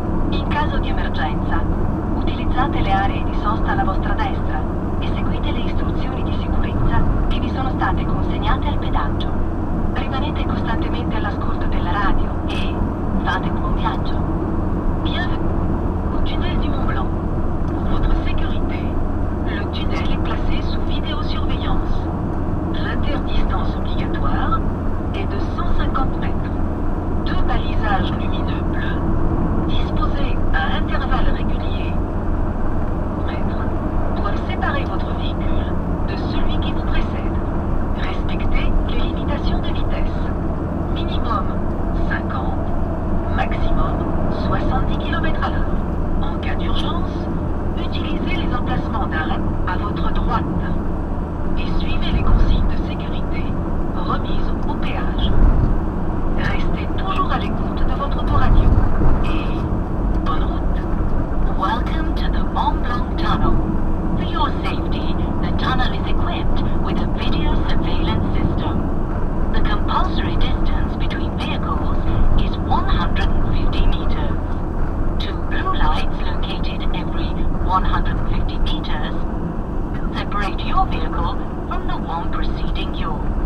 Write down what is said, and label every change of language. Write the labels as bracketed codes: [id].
[it] In caso di emergenza, utilizzate le aree di sosta alla vostra destra e seguite le istruzioni di sicurezza che vi sono state consegnate al pedaggio. Rimanete costantemente all'ascolto della radio e fate buon viaggio. Occidente Mont Blanc. [fr] Pour votre sécurité, l'occidente est placé sous vidéosurveillance. L'interdistance obligatoire est de 150 mètres. Deux balisages lumineux bleus disposés à intervalles réguliers doivent séparer votre véhicule de celui qui vous précède. Respectez les limitations de vitesse. Minimum 50, maximum 70 km à l'heure. En cas d'urgence, utilisez les emplacements d'arrêt à votre droite et suivez les consignes de sécurité remises au péage. Restez toujours à l'écoute de votre autoradio et bonne route. [en] Welcome to the Mont Blanc Tunnel. For your safety, the tunnel is equipped with a video surveillance system. The compulsory distance between vehicles is 150 meters. Two blue lights located every 150 meters separate your vehicle from the one preceding yours.